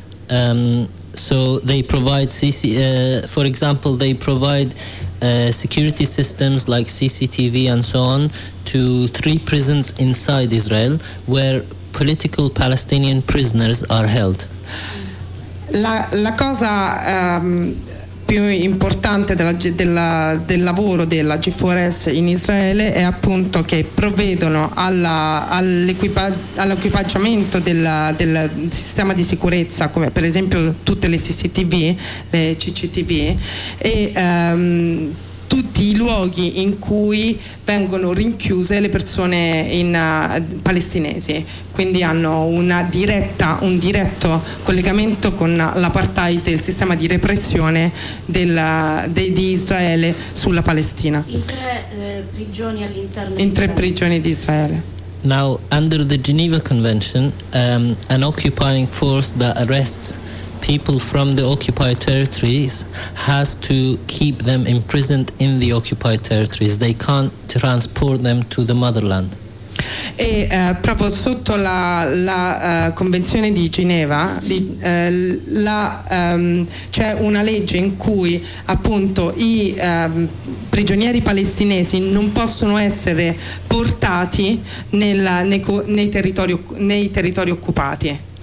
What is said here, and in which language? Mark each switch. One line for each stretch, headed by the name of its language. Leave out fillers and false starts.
English: So they provide for example, they provide security systems like CCTV and so on to 3 prisons inside Israel where political Palestinian prisoners are held.
Italian: La cosa più importante del lavoro della G4S in Israele è appunto che provvedono all'equipaggiamento del sistema di sicurezza, come per esempio tutte le CCTV, le CCTV e tutti i luoghi in cui vengono rinchiuse le persone palestinesi, quindi hanno un diretto collegamento con l'apartheid, il sistema di repressione di Israele sulla Palestina. In tre prigioni di Israele.
English: Now, under the Geneva Convention, an occupying force that arrests people from the occupied territories has to keep them imprisoned in the occupied territories. They can't transport them to the motherland.
Italian: E proprio sotto la convenzione di Ginevra c'è una legge in cui appunto i prigionieri palestinesi non possono essere portati nei territori occupati.